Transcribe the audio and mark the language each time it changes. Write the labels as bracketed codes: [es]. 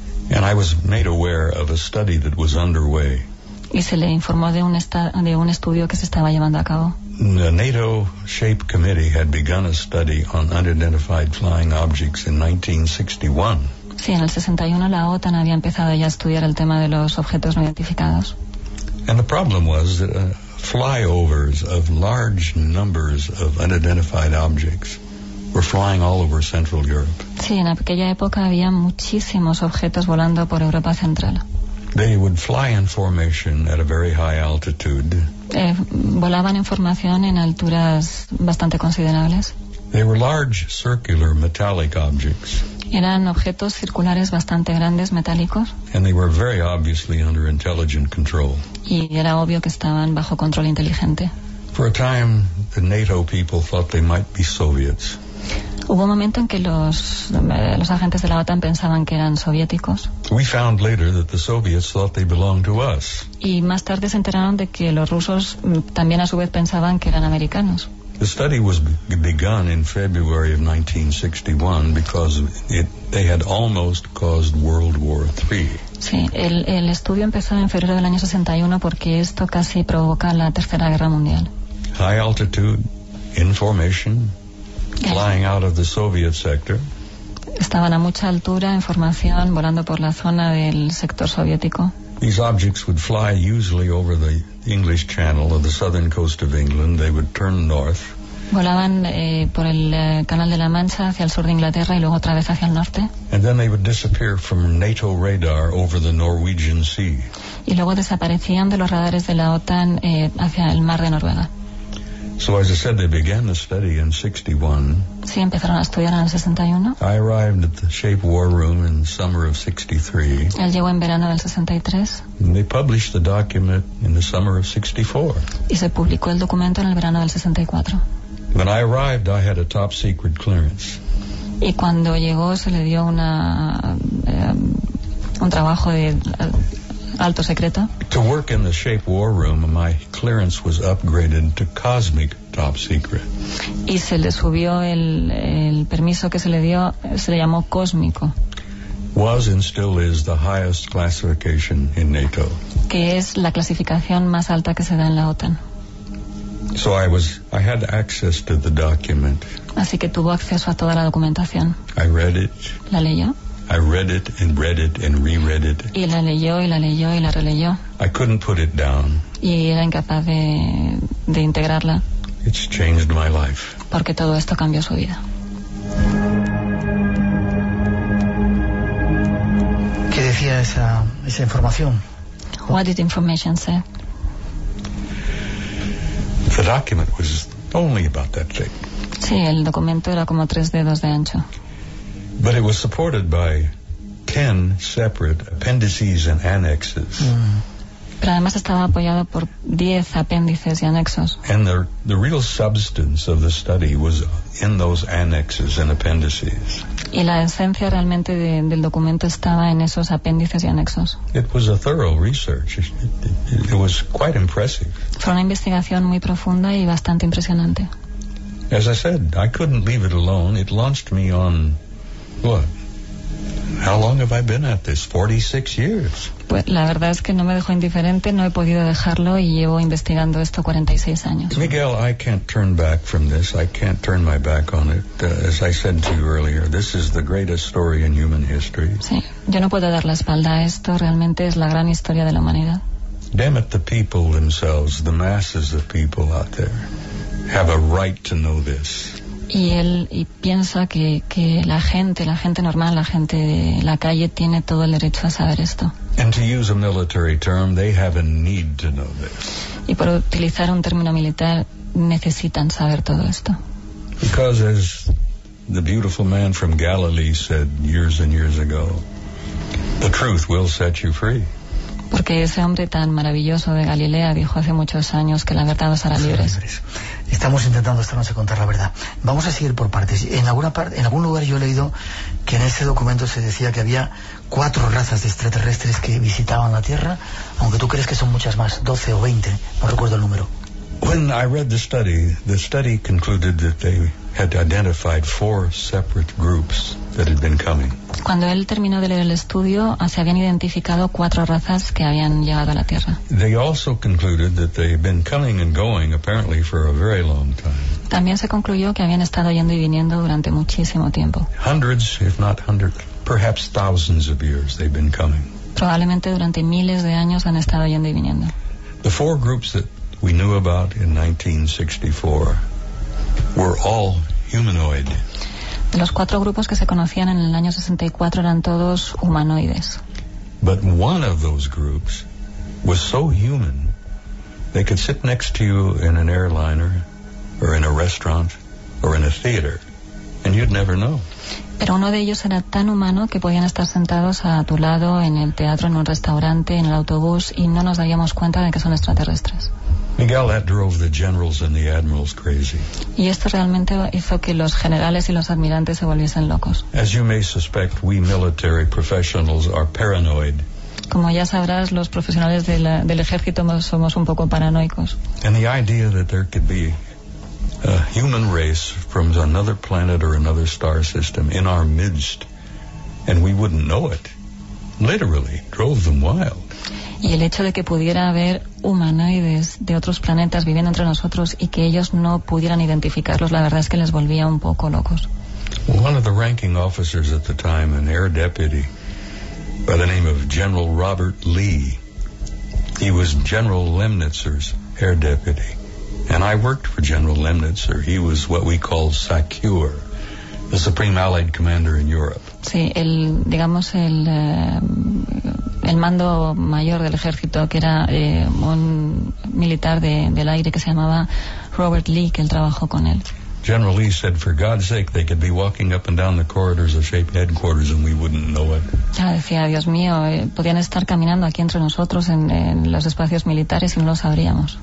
[en] And I was made aware of a study that was underway. [es] Y se le informó de un estudio que se estaba llevando a cabo. [en] The NATO Shape Committee had begun a study on unidentified flying objects in 1961. [es] Sí, en el 61 la OTAN había empezado ya a estudiar el tema de los objetos no identificados. [en] And the problem was that flyovers of large numbers of unidentified objects were flying all over Central Europe. [es] Sí, en aquella época había muchísimos objetos volando por Europa Central. [en] They would fly in formation at a very high altitude. [es] Volaban en formación en alturas bastante considerables. [en] They were large circular metallic objects. [es] Eran objetos circulares bastante grandes, metálicos. [en] And they were very obviously under intelligent control. [es] Y era obvio que estaban bajo control inteligente. [en] For a time, the NATO people thought they might be Soviets. [es] Hubo un momento en que los agentes de la OTAN pensaban que eran soviéticos. [en] We found later that the Soviets thought they belonged to us. [es] Y más tarde se enteraron de que los rusos también a su vez pensaban que eran americanos. [en] The study was begun in February of 1961 because they had almost caused World War III. [es] Sí, el estudio empezó en febrero del año 61 porque esto casi provoca la Tercera Guerra Mundial. [en] High altitude, in formation, flying out of the Soviet sector. [es] Estaban a mucha altura en formación volando por la zona del sector soviético. [en] These objects would fly usually over the English Channel or the southern coast of England. They would turn north. [es] Volaban por el Canal de la Mancha hacia el sur de Inglaterra y luego otra vez hacia el norte. [en] And then they would disappear from NATO radar over the Norwegian Sea. [es] Y luego desaparecían de los radares de la OTAN hacia el mar de Noruega. [en] So as I said, they began the study in 61. [es] Sí, empezaron a estudiar en el 61. [en] I arrived at the Shape War Room in the summer of 63. [es] Él llegó en verano del 63. [en] And they published the document in the summer of 64. [es] Y se publicó el documento en el verano del 64. [en] When I arrived, I had a top secret clearance. [es] Y cuando llegó se le dio una un trabajo de alto secreto. [en] To work in the Shape War Room, my clearance was upgraded to cosmic top secret. [es] Y se le subió el permiso que se le dio, se le llamó cósmico. [en] Was and still is the highest classification in NATO. [es] Que es la clasificación más alta que se da en la OTAN. [en] So I had access to the document. [es] Así que tuvo acceso a toda la documentación. [en] I read it. [es] La leyó. [en] I read it and read it and reread it. [es] Y la leyó y la leyó y la releyó. [en] I couldn't put it down. [es] Y era incapaz de integrarla. [en] It's changed my life. [es] Porque todo esto cambió su vida. ¿Qué decía esa información? [en] What did the information say? The document was only about that thick. [es] Sí, el documento era como tres dedos de ancho. [en] But it was supported by 10 separate appendices and annexes. Mm. [es] Pero además estaba apoyado por 10 apéndices y anexos. [en] And the real substance of the study was in those annexes and appendices. [es] Y la esencia realmente del documento estaba en esos apéndices y anexos. [en] It was a thorough research. It was quite impressive. [es] Fue una investigación muy profunda y bastante impresionante. [en] As I said, I couldn't leave it alone. It launched me on what? How long have I been at this? 46 years. [es] Pues la verdad es que no me dejó indiferente, no he podido dejarlo y llevo investigando esto 46 años. [en] Miguel, I can't turn back from this. I can't turn my back on it. As I said to you earlier, this is the greatest story in human history. [es] Sí, yo no puedo dar la espalda a esto. Realmente es la gran historia de la humanidad. [en] Damn it, the people themselves, the masses of people out there, have a right to know this. [es] Y piensa que la gente normal, la gente de la calle tiene todo el derecho a saber esto. [en] And to use a military term, they have a need to know this. [es] Y por utilizar un término militar, necesitan saber todo esto. [en] Because as the beautiful man from Galilee said years and years ago, the truth will set you free. [es] Porque ese hombre tan maravilloso de Galilea dijo hace muchos años que la verdad os hará libres. Estamos intentando esta noche contar la verdad. Vamos a seguir por partes. En algún lugar yo he leído que en ese documento se decía que había 4 razas de extraterrestres que visitaban la Tierra, aunque tú crees que son muchas más, 12 o 20, no recuerdo el número. [en] When I read the study concluded that they had identified 4 separate groups that had been coming. [es] Cuando él terminó de leer el estudio, se habían identificado 4 razas que habían llegado a la Tierra. [en] They also concluded that they had been coming and going apparently for a very long time. [es] También se concluyó que habían estado yendo y viniendo durante muchísimo tiempo. [en] Hundreds, if not hundreds, perhaps thousands of years they've been coming. [es] Probablemente durante miles de años han estado yendo y viniendo. [en] The 4 groups that we knew about in 1964 were all humanoid. [es] Los 4 grupos que se conocían en el año 64 eran todos humanoides. [en] But one of those groups was so human they could sit next to you in an airliner or in a restaurant or in a theater and you'd never know. [es] Pero uno de ellos era tan humano que podían estar sentados a tu lado en el teatro, en un restaurante, en el autobús y no nos daríamos cuenta de que son extraterrestres. [en] Miguel, that drove the generals and the admirals crazy. [es] Y esto realmente hizo que los generales y los admirantes se volviesen locos. [en] As you may suspect, we military professionals are paranoid. [es] Como ya sabrás, los profesionales del ejército somos un poco paranoicos. [en] And the idea that there could be a human race from another planet or another star system in our midst, and we wouldn't know it, literally drove them wild. [es] Y el hecho de que pudiera haber humanoides de otros planetas viviendo entre nosotros y que ellos no pudieran identificarlos, la verdad es que les volvía un poco locos. [en] One of the ranking officers at the time, an air deputy by the name of General Robert Lee, He was General Lemnitzer's air deputy. And I worked for General Lemnitzer. He was what we call SACUR, the Supreme Allied Commander in Europe. [es] Sí, el, digamos, el mando mayor del ejército, que era un militar del aire que se llamaba Robert Lee, que él trabajó con él. [en] General Lee said, for God's sake, they could be walking up and down the corridors of SHAPE headquarters and we wouldn't know it. [es] Ya decía, Dios mío, podían estar caminando aquí entre nosotros en los espacios militares y no lo sabríamos.